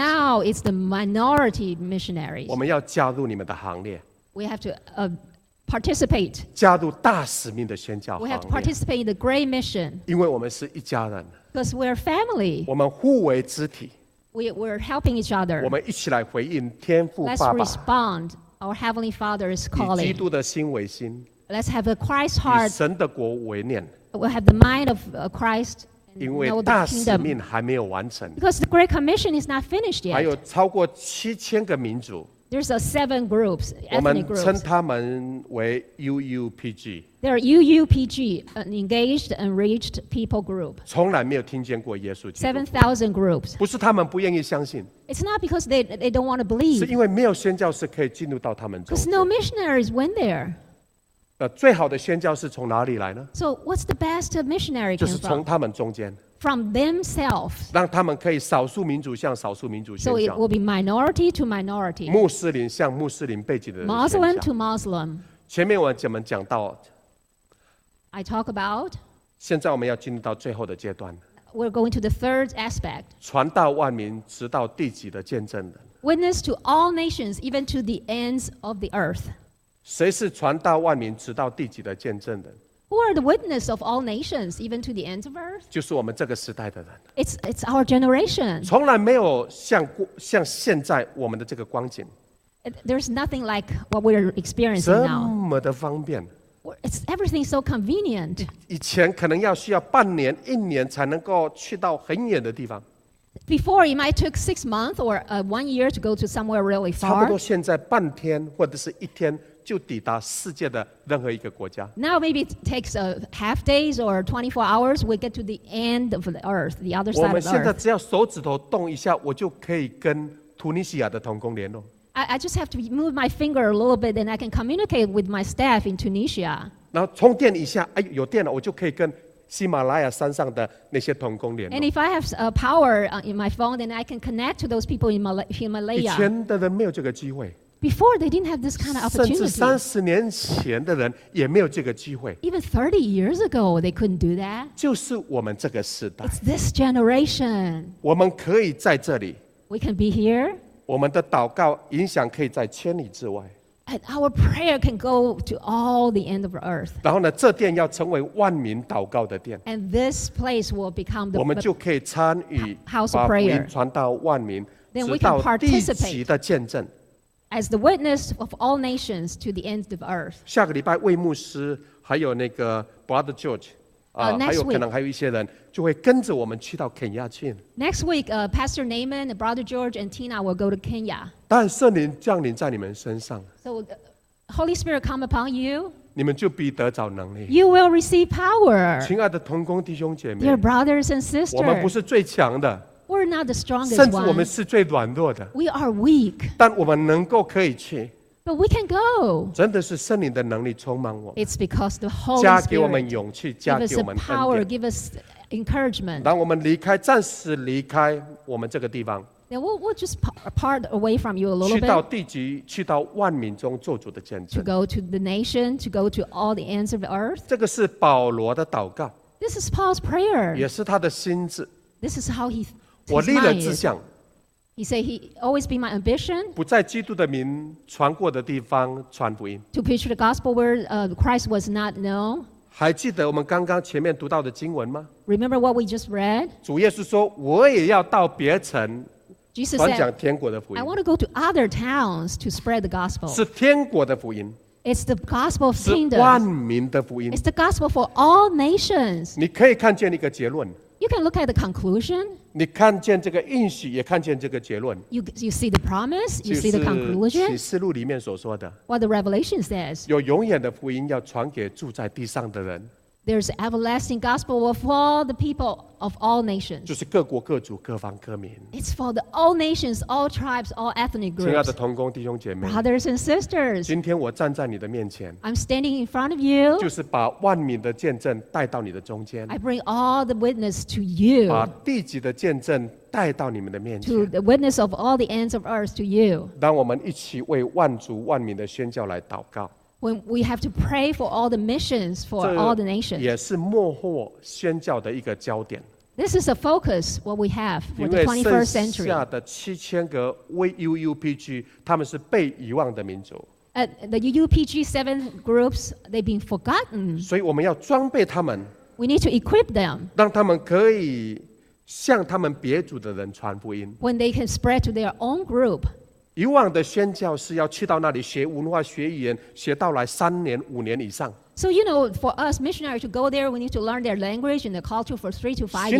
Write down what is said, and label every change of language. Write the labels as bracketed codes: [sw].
[en] Now it's the minority missionaries. [zh] 我们要加入你们的行列。 [en] We have to participate. [zh] 加入大使命的宣教行列。 [en] We have to participate in the great mission. [zh] 因为我们是一家人。 [en] Because we're family. [zh] 我们互为肢体。 [en] We're helping each other. [zh] 我们一起来回应天父爸爸。 [en] Let's respond our heavenly Father's calling. [zh] 以基督的心为心。 [en] Let's have a Christ heart. [zh] 以神的国为念。 [en] We'll have the mind of Christ. [zh] 因为大使命还没有完成 [en] Because the Great Commission is not finished yet [zh] 还有超过七千个民族 [en] There's a seven groups, ethnic groups [zh] 我们称他们为 UUPG [en] They're UUPG, an Engaged Enriched People Group [zh] 从来没有听见过耶稣基督 [en] 7,000 groups [zh] 不是他们不愿意相信 [en] It's not because they don't want to believe [zh] 是因为没有宣教士可以进入到他们中间 [en] Because no missionaries went there [zh] 最好的宣教士从哪里来呢 [en] So what's the best missionary came from? [zh] 就是从他们中间 [en] From themselves [zh] 让他们可以少数民族向少数民族宣教 [en] So it will be minority to minority [zh] 穆斯林向穆斯林背景的人宣 [en] 教 Muslim to Muslim [zh] 前面我们讲到 [en] I talk about [zh] 现在我们要进入到最后的阶段 [en] We're going to the third aspect [zh] 传道万民直到地极的见证人 [en] Witness to all nations even to the ends of the earth [zh] 谁是传道万民直到地极的见证人 [en] Who are the witness of all nations even to the ends of earth? [zh] 就是我们这个时代的人 [en] It's our generation [zh] 从来没有 像现在我们的这个光景 [en] There's nothing like what we're experiencing now [zh] 这么的方便 [en] It's everything so convenient [zh] 以前可能要需要半年一年才能够去到很远的地方 [en] Before it might took 6 months or 1 year to go to somewhere really far [zh] 差不多现在半天或者是一天就抵达世界的任何一个国家。 [en] Now maybe it takes a half days or 24 hours, we get to the end of the earth, the other side of the earth. [zh] 我们现在只要手指头动一下，我就可以跟突尼西亚的同工联络。 [en] I just have to move my finger a little bit, and I can communicate with my staff in Tunisia. [zh] 然后充电一下，哎，有电了，我就可以跟喜马拉雅山上的那些同工联络。 [en] And if I have a power in my phone, then I can connect to those people in Himalaya. [zh] 以前的人没有这个机会。 [en] Before they didn't have this kind of opportunity. [zh] 甚至三十年前的人也没有这个机会。 [en] Even 30 years ago, they couldn't do that. [zh] 就是我们这个时代。 [en] It's this generation. [zh] 我们可以在这里。 [en] We can be here. [zh] 我们的祷告影响可以在千里之外。 [en] And our prayer can go to all the end of earth. [zh] 然后呢，这殿要成为万民祷告的殿。 [en] And this place will become the. [zh] 我们就可以参与，把福音传到万民。 [en] then we can participate as the witness of all nations to the ends of earth. [zh] 下个礼拜魏牧师还有那个 Brother George [en] Next week, [zh] 还有可能还有一些人就会跟着我们去到 Kenya 去。 [en] Next week, Pastor Naaman, Brother George, and Tina will go to Kenya. [zh] 但圣灵降临在你们身上。 [en] So, Holy Spirit come upon you. [zh] 你们就必得着能力。 [en] You will receive power. [zh] 亲爱的同工弟兄姐妹。 [en] Dear brothers and sisters. [zh] 我们不是最强的。 [en] We're not the strongest. [zh] 甚至我们是最软弱的。 [en] We are weak. [zh] 但我们能够可以去。 [en] But we can go. [zh] 真的是圣灵的能力充满我们。 [en] It's because the Holy [zh] Spirit 加给我们勇气，加给我们恩 [en] 典。Give us power. Give us encouragement. [zh] 当我们离开，暂时离开我们这个地方。 [en] Then we'll just part away from you a little bit. [zh] 去到地极，去到万民中做主的见证。 [en] To go to the nation, to go to all the ends of the earth. [zh] 这个是保罗的祷告。 [en] This is Paul's prayer. [zh] 也是他的心志。 [en] This is how his mind is. [zh] 我立了志向。 [en] He said he always be my ambition. [zh] 不在基督的名传过的地方传福音。 [en] To preach the gospel where Christ was not known. [zh] 还记得我们刚刚前面读到的经文吗？ [en] Remember what we just read? [zh] 主耶稣说，我也要到别城。 [en] Jesus [zh] 传讲天国的福音。 [en] I want to go to other towns to spread the gospel. [zh] 是天国的福音。 [en] It's the gospel of kingdom. [zh] 是万民的福音。 [en] It's the gospel for all nations. [zh] 你可以看见一个结论。 [en] You can look at the conclusion. [zh] 你看见这个应许，也看见这个结论。 [en] You see the promise, you see the conclusion. [zh] 启示录里面所说的。 [en] What the Revelation says. [zh] 有永远的福音要传给住在地上的人。 [en] There's everlasting gospel of all the people of all nations. [zh] 就是各国各族各方各民。 [en] It's for the all nations, all tribes, all ethnic groups. [zh] 亲爱的同工弟兄姐妹。 [en] Brothers and sisters. [zh] 今天我站在你的面前。 [en] I'm standing in front of you. [zh] 就是把万民的见证带到你的中间。 [en] I bring all the witness to you. [zh] 把地极的见证带到你们的面前。 [en] To the witness of all the ends of earth to you. [zh] 让我们一起为万族万民的宣教来祷告。 [en] When we have to pray for all the missions for all the nations. [zh] 也是幕后宣教的一个焦点。 [en] This is a focus what we have for the 21st century. [zh] 因为剩下的7000个未 UUPG, 他们是被遗忘的民族。 [en] The UUPG seven groups, they've been forgotten. [zh] 所以我们要装备他们。 [en] We need to equip them. [zh] 让他们可以向他们别族的人传福音。 [en] When they can spread to their own group. [zh] 以往的宣教是要去到那里学文化学语言学到来三年五年以上 [en] So you know for us missionaries to go there we need to learn their language and the culture for 3 to 5 years